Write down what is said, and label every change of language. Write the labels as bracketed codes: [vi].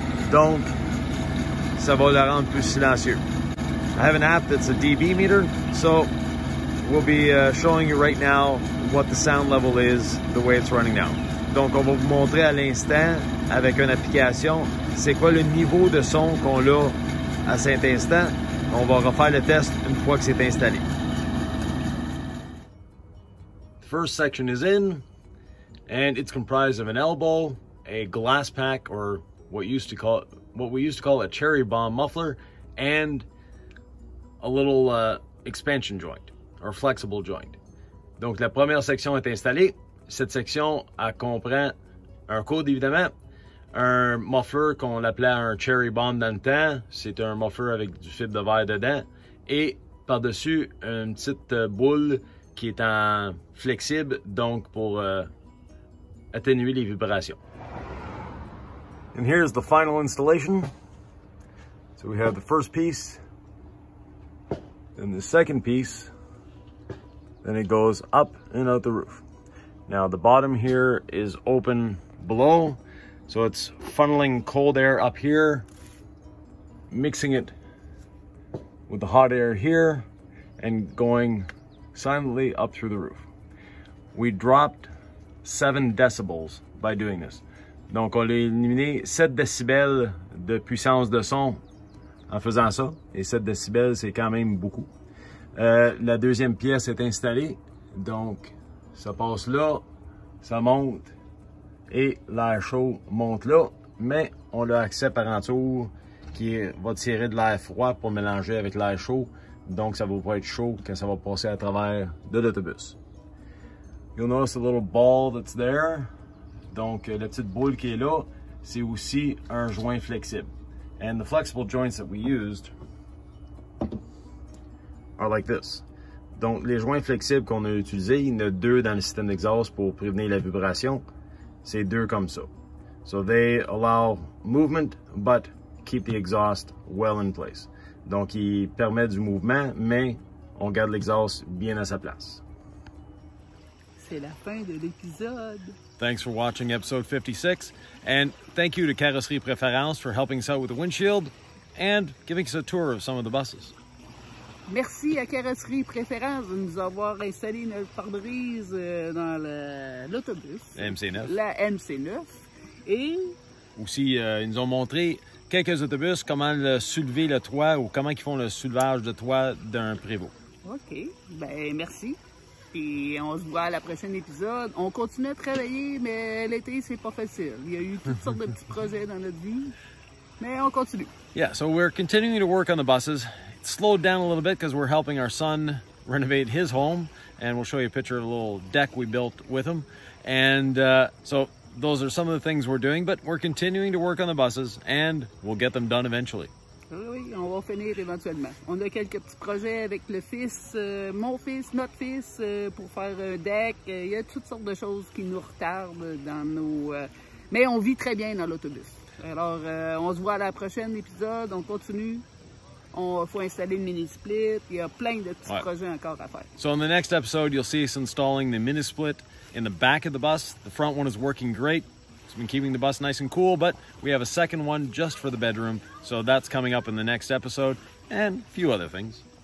[fr] Donc, ça va le rendre plus silencieux. [en] I have an app that's a dB meter, so we'll be showing you right now what the sound level is, the way it's running now. [fr] Donc, on va vous montrer à l'instant, avec une application, c'est quoi le niveau de son qu'on a à cet instant. On va refaire le test une fois que c'est installé. [en] The first section is in, and it's comprised of an elbow, a glass pack, or what we used to call a cherry bomb muffler, and a little expansion joint, or flexible joint. [fr] Donc la première section est installée. Cette section comprend un code, évidemment, un muffler qu'on appelait un cherry bomb dans le temps. C'est un muffler avec du fibre de verre dedans. Et par-dessus, une petite boule qui est en flexible, donc pour atténuer les vibrations. [en] And here's the final installation. So we have the first piece. And the second piece, then it goes up and out the roof. Now the bottom here is open below, so it's funneling cold air up here, mixing it with the hot air here, and going silently up through the roof. We dropped 7 decibels by doing this. [fr] Donc on a éliminé 7 décibels de puissance de son en faisant ça, et 7 décibels c'est quand même beaucoup. La deuxième pièce est installée, donc ça passe là, ça monte et l'air chaud monte là, mais on a accès par en dessous qui va tirer de l'air froid pour mélanger avec l'air chaud, donc ça va pas être chaud quand ça va passer à travers de l'autobus. [en] You'll notice a little ball that's there, [fr] donc la petite boule qui est là, c'est aussi un joint flexible. [en] And the flexible joints that we used are like this. [fr] Donc, les joints flexibles qu'on a utilisés, il y en a deux dans le système d'exhaust pour prévenir la vibration. C'est deux comme ça. [en] So they allow movement, but keep the exhaust well in place. [fr] Donc, ils permettent du mouvement, mais on garde l'exhaust bien à sa place. C'est la fin de l'épisode. [en] Thanks for watching episode 56. And thank you to Carrosserie Preference for helping us out with the windshield and giving us a tour of some of the buses. [fr] Merci à Carrosserie Préférence de nous avoir installé notre pare-brise dans l'autobus. La MC9. Et aussi, ils nous ont montré quelques autobus, comment le soulever le toit ou comment ils font le soulevage de toit d'un Prévost. OK. Ben merci. Et on se voit à la prochaine épisode. On continue à travailler, mais l'été, c'est pas facile. Il y a eu toutes sortes de petits projets dans notre vie. Mais on continue. [en] Yeah, so we're continuing to work on the buses. Slowed down a little bit because we're helping our son renovate his home, and we'll show you a picture of a little deck we built with him. And so those are some of the things we're doing, but we're continuing to work on the buses and we'll get them done eventually. [fr] Oui, on va finir éventuellement. On a quelques petits projets avec le fils, mon fils, notre fils, pour faire un deck. Il y a toutes sortes de choses qui nous retardent dans nos... Mais on vit très bien dans l'autobus. Alors, on se voit à la prochaine épisode. On continue. On faut installer le mini split. Il y a plein de petits projets encore à faire. [en] So in the next episode, you'll see us installing the mini split in the back of the bus. The front one is working great. It's been keeping the bus nice and cool, but we have a second one just for the bedroom. So that's coming up in the next episode and a few other things.